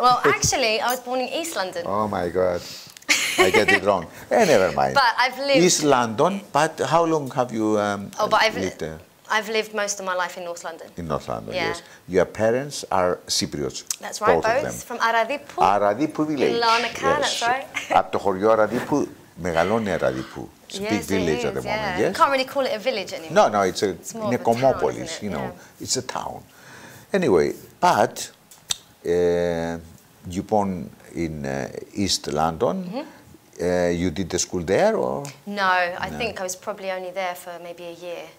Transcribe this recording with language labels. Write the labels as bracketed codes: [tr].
[en] Well, actually, I was born in East London. Oh my God. I get it wrong. Hey, never mind. But I've lived... East London, but how long have you lived there? I've lived most of my life in North London. In North London, yeah. Yes. Your parents are Cypriots. That's right, both. From Aradipu. Aradipu village. In Larnaca, yes. That's right. [el] Από το χωριό Αραδίπου, μεγαλώνει Αραδίπου. [en] It's a big village at the moment, yeah. Yes? You can't really call it a village anymore. No, it's a necomopolis, you know. Yeah. It's a town. Anyway, but you born in East London... Mm-hmm. You did the school there, or? No, I think I was probably only there for maybe a year.